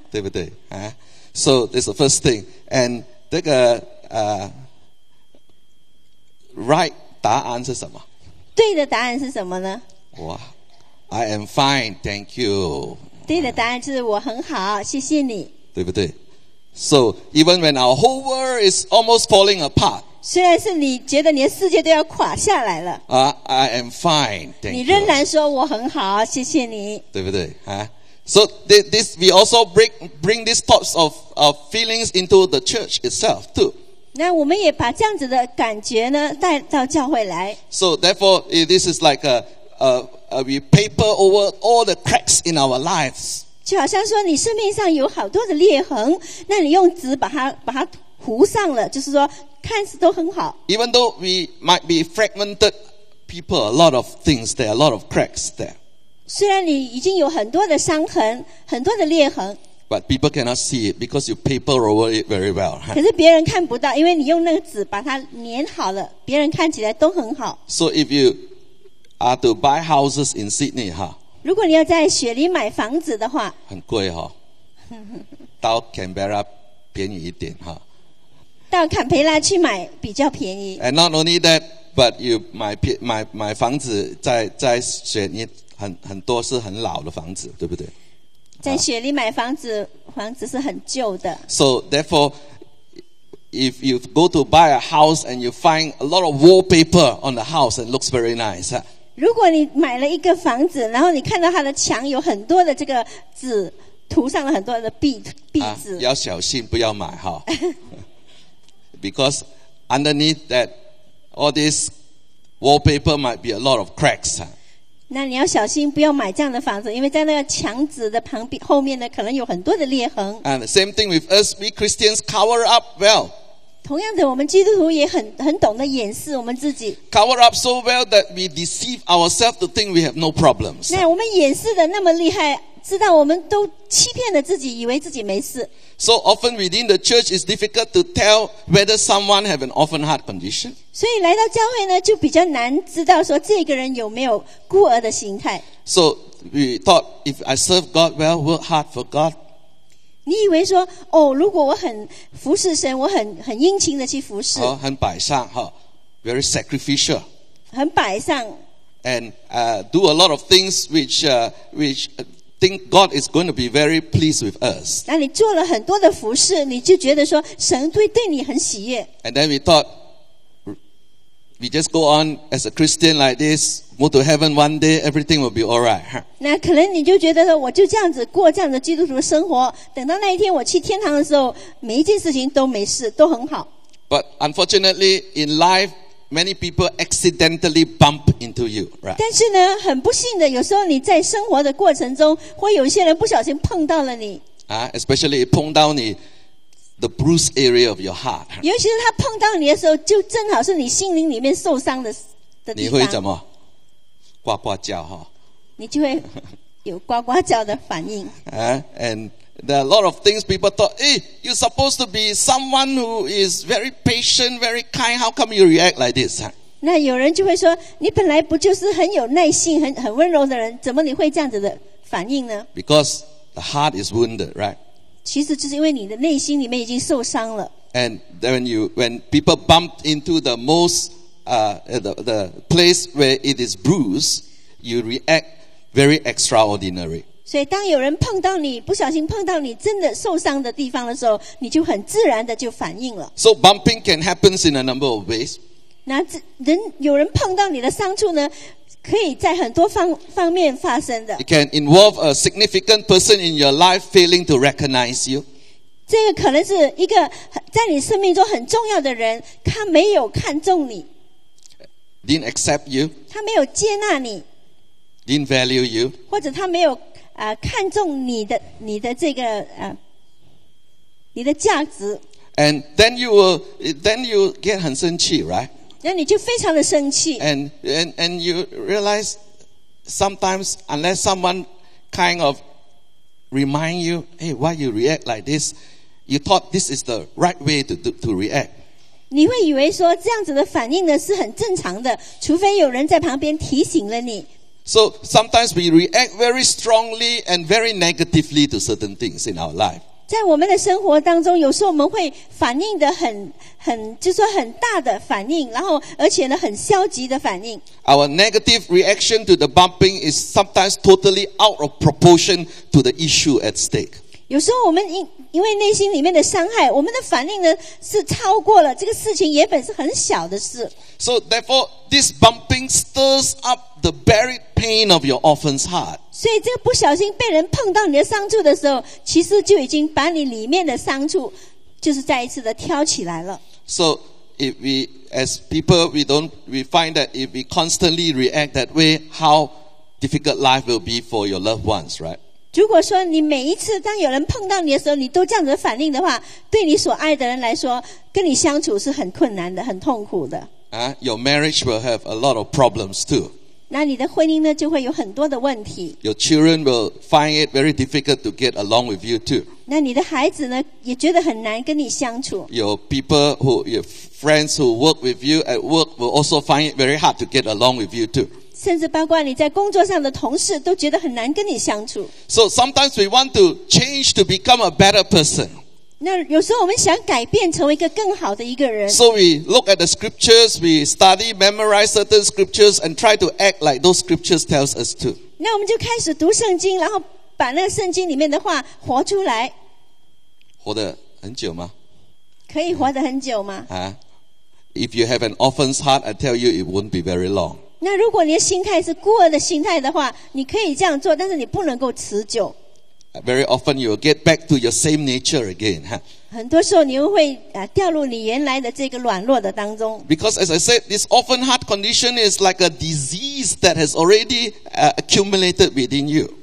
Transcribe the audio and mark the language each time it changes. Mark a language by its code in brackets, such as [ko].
[zh] 对不对？ [en] So that's the first thing. And [zh] 这个 [en] right [zh] 答案是什么？对的答案是什么呢？ [en] 哇 ，I am fine, thank you. [zh] 对的答案就是我很好，谢谢你。对不对？ [en] So even when our whole world is almost falling apart, [zh] 虽然是你觉得你的世界都要垮下来了 [en] I am fine. Thank you. [zh] 你仍然说我很好，谢谢你。对不对？ [en] So this we also bring these thoughts of feelings into the church itself too. [zh] 那我们也把这样子的感觉呢带到教会来。 [en] So therefore, this is like we paper over all the cracks in our lives. [zh] 就好像说你生命上有好多的裂痕，那你用纸把它糊上了，就是说看似都很好。 [en] Even though we might be fragmented people, a lot of things there, a lot of cracks there. [zh] 虽然你已经有很多的伤痕，很多的裂痕。 [en] But people cannot see it because you paper over it very well. [zh] 可是别人看不到，因为你用那个纸把它粘好了，别人看起来都很好。 [en] So if you are to buy houses in Sydney, 哈。 [zh] 如果你要在雪梨买房子的话，很贵哈、哦。到 Canberra 便宜一点哈。到坎培拉去买比较便宜。 [en] And not only that, but you [zh] 买房子在雪梨很多是很老的房子，对不对？在雪梨买房子、啊，房子是很旧的。 [en] So therefore, if you go to buy a house and you find a lot of wallpaper on the house and looks very nice. [zh] 如果你买了一个房子，然后你看到它的墙有很多的这个纸，涂上了很多的壁纸、啊，要小心不要买哈。 [en] Because underneath that, all this wallpaper might be a lot of cracks. [zh] 那你要小心，不要买这样的房子，因为在那个墙纸的旁边后面呢，可能有很多的裂痕。 [en] And same thing with us, we Christians cover up well. [zh] 同样的，我们基督徒也很懂得掩饰我们自己。 [en] Cover up so well that we deceive ourselves to think we have no problems. [zh] 那我们掩饰的那么厉害，知道我们都欺骗了自己，以为自己没事。 [en] So often within the church, it's difficult to tell whether someone has an orphan heart condition. [zh] 所以来到教会呢，就比较难知道说这个人有没有孤儿的心态。 [en] So we thought, if I serve God well, work hard for God. [zh] 你以为说，哦，如果我很服侍神，我很殷勤的去服侍，哦，很摆上哈， [en] very sacrificial， [zh] 很摆上 [en] ，and do a lot of things which think God is going to be very pleased with us. [zh] 那你做了很多的服事，你就觉得说神对你很喜悦。 [en] And then we thought, we just go on as a Christian like this, go to heaven one day, everything will be all right. [zh] 那可能你就觉得说，我就这样子过这样的基督徒生活，等到那一天我去天堂的时候，每一件事情都没事，都很好。 [en] But unfortunately, in life. Many people accidentally bump into you, right? [zh] 但是呢，很不幸的，有时候你在生活的过程中，会有一些人不小心碰到了你。 [en] 啊，especially [zh] 碰到你 [en] the bruised area of your heart. [zh] 尤其是他碰到你的时候，就正好是你心灵里面受伤的地方。你会怎么呱呱叫哈？你就会有呱呱叫的反应。 [en] and there are a lot of things people thought, hey, you're supposed to be someone who is very patient, very kind, how come you react like this? [zh] 那有人就会说，你本来不就是很有耐心，很温柔的人，怎么你会这样子的反应呢？ [en] Because the heart is wounded, right? [zh] 其实就是因为你的内心里面已经受伤了。 [en] And when people bump into the most, the place where it is bruised, you react very extraordinary. [zh] 所以当有人碰到你，不小心碰到你真的受伤的地方的时候，你就很自然的就反应了。 [en] So bumping can happen in a number of ways. [zh] 那有人碰到你的伤处呢，可以在很多方面发生的。 [en] It can involve a significant person in your life failing to recognize you. [zh] 这个可能是一个在你生命中很重要的人，他没有看中你。 [en] Didn't accept you. [zh] 他没有接纳你。 [en] Didn't value you. [zh] 或者他没有看中你的这个你的价值。 [en] And then you get [zh] 很生气 [en] ，right？ [zh] 那你就非常的生气。 [en] And you realize sometimes unless someone kind of remind you, hey, why you react like this? You thought this is the right way to react. [zh] 你会以为说这样子的反应呢是很正常的，除非有人在旁边提醒了你。 [en] So sometimes we react very strongly and very negatively to certain things in our life. [zh] 在我们的生活当中，有时候我们会反应的很，就是说很大的反应，然后而且呢很消极的反应。 [en] Our negative reaction to the bumping is sometimes totally out of proportion to the issue at stake. [zh] 有时候我们因为内心里面的伤害，我们的反应呢是超过了这个事情原本是很小的事。 [en] So therefore, this bumping stirs up. The buried pain of your orphan's heart. [zh] 所以这个不小心被人碰到你的伤处的时候，其实就已经把你里面的伤处，就是再一次的挑起来了。 [en] So if we as people we find that if we constantly react that way, how difficult life will be for your loved ones, right? [zh] 如果说你每一次当有人碰到你的时候，你都这样子反应的话，对你所爱的人来说，跟你相处是很困难的，很痛苦的。 [en] your marriage will have a lot of problems too. [zh] 那你的婚姻呢，就会有很多的问题。 [en] Your children will find it very difficult to get along with you too. [zh] 那你的孩子呢，也觉得很难跟你相处。 [en] Your people who, your friends who work with you at work will also find it very hard to get along with you too. [zh] 甚至包括你在工作上的同事都觉得很难跟你相处。 [en] So sometimes we want to change to become a better person. [zh] 那有时候我们想改变成为一个更好的一个人。 [en] So we look at the scriptures, we study, memorize certain scriptures, and try to act like those scriptures tells us to. [zh] 那我们就开始读圣经，然后把那圣经里面的话活出来。活得很久吗？可以活得很久吗？ [en] 啊、If you have an orphan's heart, I tell you it won't be very long. [zh] 那如果你的心态是孤儿的心态的话，你可以这样做，但是你不能够持久。 [en] Very often you will get back to your same nature again. [zh] 很多时候你又会掉入你原来的这个软弱的当中。 [en] Because as I said, this orphan heart condition is like a disease that has already accumulated within you.